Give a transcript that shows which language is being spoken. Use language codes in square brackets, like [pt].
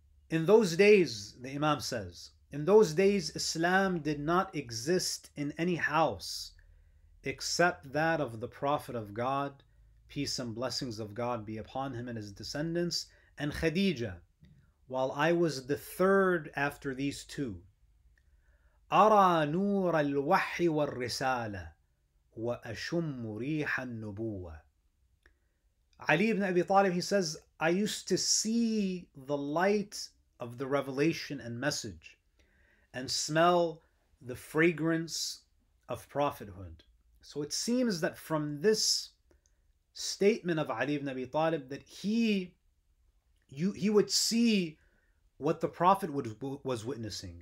[en] In those days, the Imam says, in those days, Islam did not exist in any house except that of the Prophet of God, peace and blessings of God be upon him and his descendants, and Khadija, while I was the third after these two. [ar] أرى نور الوحي والرسالة وأشم ريح النبوة. [en] Ali ibn Abi Talib, he says, I used to see the light of the revelation and message, and smell the fragrance of prophethood. So it seems that from this statement of Ali ibn Abi Talib, that he would see what the Prophet was witnessing.